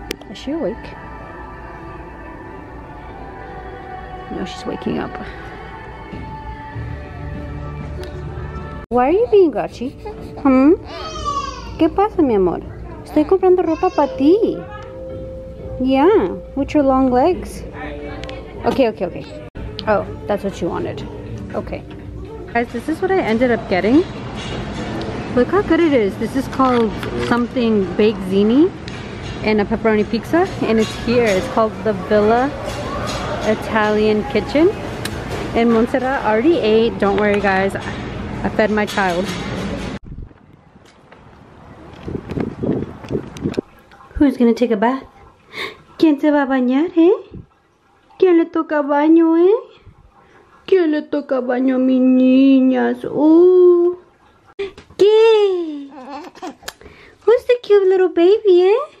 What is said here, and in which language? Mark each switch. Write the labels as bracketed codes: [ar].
[en] Is she awake? No, she's waking up. Why are you being grouchy? [es] Hmm? ¿Qué pasa, mi amor? Estoy comprando ropa para ti. [en] Yeah, with your long legs. Okay. Oh, that's what you wanted. Okay. Guys, this is what I ended up getting. Look how good it is. This is called something baked zini and a pepperoni pizza. And it's here. It's called the Villa Italian Kitchen. And Montserrat already ate. Don't worry, guys. I fed my child. Who's gonna take a bath? [es] ¿Quién se va a bañar, eh? ¿Quién le toca baño, eh? ¿Quién le toca baño a mis niñas? ¡Oh! ¿Qué? [en] Who's the cute little baby, eh?